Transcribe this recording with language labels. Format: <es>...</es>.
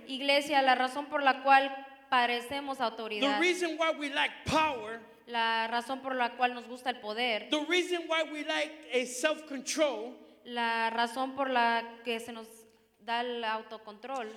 <es>Iglesia, la razón por la cual padecemos autoridad.</es> <en>The reason why we lack power.</en> <es>La razón por la cual nos gusta el poder.</es> <en>The reason why we lack a self-control.</en> <es>La razón por la que se nos da el autocontrol.</es>